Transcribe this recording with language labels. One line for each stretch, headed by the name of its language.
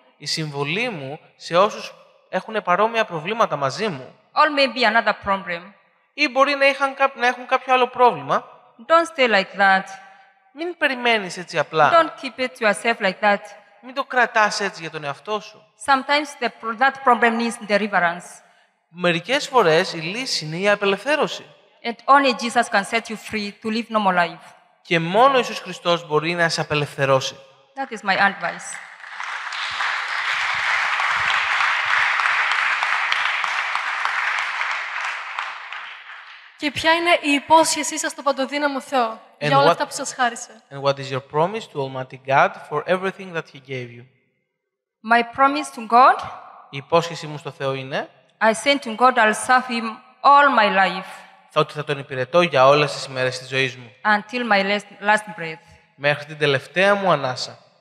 Greek: Η συμβουλή μου σε όσους έχουν παρόμοια προβλήματα μαζί μου.
English: Or maybe another problem.
Greek: Ή μπορεί να έχουν κάποιο άλλο πρόβλημα.
English: Don't stay like that.
Greek: Μην περιμένεις έτσι απλά.
English: Don't keep it to yourself like that.
Greek: Μην το κρατάς έτσι για τον εαυτό σου.
English: Sometimes that problem needs deliverance.
Greek: Μερικές φορές η λύση είναι η απελευθέρωση.
English: And only Jesus can set you free to live normal life.
Greek: Και μόνο ο Ιησούς Χριστός μπορεί να σε απελευθερώσει.
English: That is my advice.
Greek: Και ποια είναι η υπόσχεσή σας στον παντοδύναμο Θεό για όλα αυτά που σας χάρισε?
English: And what is your promise to Almighty God for everything that He gave you? My promise to God.
Greek: Η υπόσχεσή μου στο Θεό είναι.
English: I said to God, I'll serve Him all my life.
Greek: Θα ότι θα τον υπηρετώ για όλες τις μέρες της ζωής μου.
English: Until my last breath.
Greek: Μέχρι την τελευταία μου ανάσα.